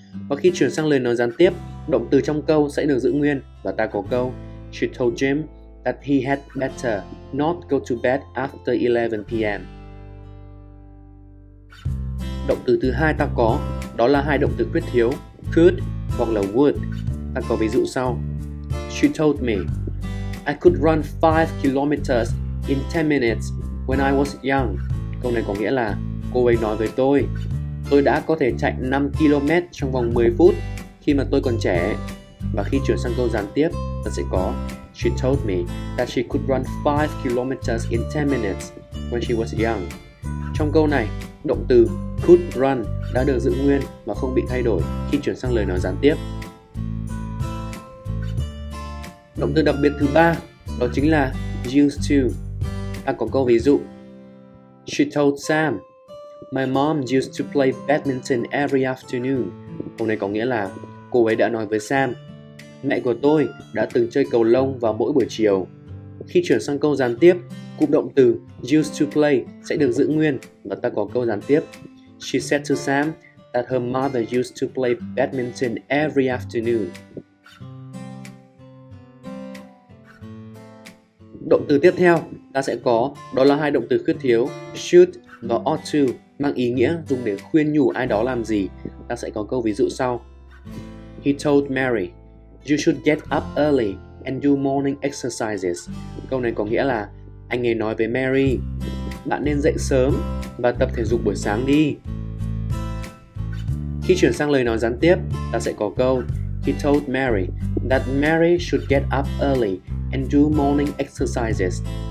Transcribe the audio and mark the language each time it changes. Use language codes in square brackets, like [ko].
[vi] Và khi chuyển sang lời nói gián tiếp, động từ trong câu sẽ được giữ nguyên và ta có câu [en] She told Jim that he had better not go to bed after 11 p.m. [vi] Động từ thứ hai ta có đó là hai động từ khuyết thiếu could hoặc là would. Ta có ví dụ sau. [en] She told me I could run 5 kilometers in 10 minutes when I was young. [vi] Câu này có nghĩa là cô ấy nói với tôi đã có thể chạy 5 km trong vòng 10 phút khi mà tôi còn trẻ. Và khi chuyển sang câu gián tiếp ta sẽ có [en] She told me that she could run 5 kilometers in 10 minutes when she was young. [vi] Trong câu này, động từ could run đã được giữ nguyên và không bị thay đổi khi chuyển sang lời nói gián tiếp. Động từ đặc biệt thứ ba đó chính là used to. Ta có câu ví dụ. [en] She told Sam, "My mom used to play badminton every afternoon." [vi] Câu này có nghĩa là cô ấy đã nói với Sam, mẹ của tôi đã từng chơi cầu lông vào mỗi buổi chiều. Khi chuyển sang câu gián tiếp, cụm động từ used to play sẽ được giữ nguyên và ta có câu gián tiếp. [en] She said to Sam that her mother used to play badminton every afternoon. [vi] Động từ tiếp theo ta sẽ có đó là hai động từ khuyết thiếu should và ought to, mang ý nghĩa dùng để khuyên nhủ ai đó làm gì. Ta sẽ có câu ví dụ sau. [en] He told Mary, "You should get up early and do morning exercises." [vi] Câu này có nghĩa là anh ấy nói với Mary, bạn nên dậy sớm và tập thể dục buổi sáng đi. Khi chuyển sang lời nói gián tiếp, ta sẽ có câu [en] He told Mary that Mary should get up early and do morning exercises.